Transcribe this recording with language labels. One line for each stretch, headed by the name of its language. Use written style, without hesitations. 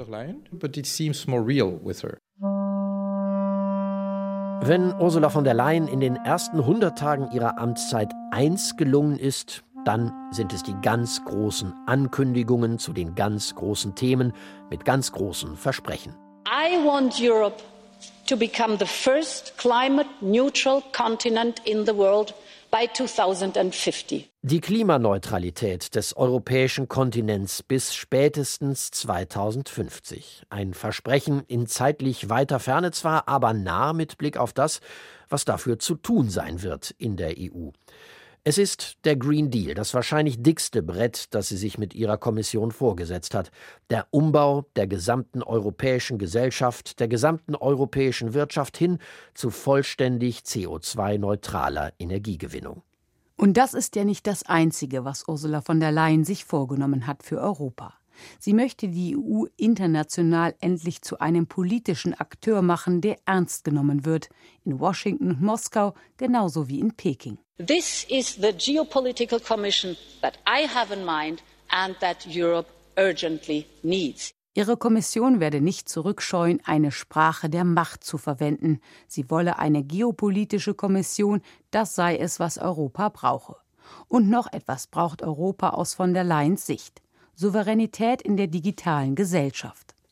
German: Wenn Ursula von der Leyen in den ersten 100 Tagen ihrer Amtszeit eins gelungen ist, dann sind es die ganz großen Ankündigungen zu den ganz großen Themen mit ganz großen Versprechen.
English: I want Europe to become the first climate neutral continent in the world by 2050.
German: Die Klimaneutralität des europäischen Kontinents bis spätestens 2050. Ein Versprechen in zeitlich weiter Ferne zwar, aber nah mit Blick auf das, was dafür zu tun sein wird in der EU. Es ist der Green Deal, das wahrscheinlich dickste Brett, das sie sich mit ihrer Kommission vorgesetzt hat. Der Umbau der gesamten europäischen Gesellschaft, der gesamten europäischen Wirtschaft hin zu vollständig CO2-neutraler Energiegewinnung. Und das ist ja nicht das Einzige, was Ursula von der Leyen sich vorgenommen hat für Europa. Sie möchte die EU international endlich zu einem politischen Akteur machen, der ernst genommen wird. In Washington und Moskau genauso wie in Peking.
English: This is the geopolitical commission that I have in mind and that Europe urgently needs.
German: Ihre Kommission werde nicht zurückscheuen, eine Sprache der Macht zu verwenden. Sie wolle eine geopolitische Kommission, das sei es, was Europa brauche. Und noch etwas braucht Europa aus von der Leyens Sicht: Souveränität in der digitalen Gesellschaft.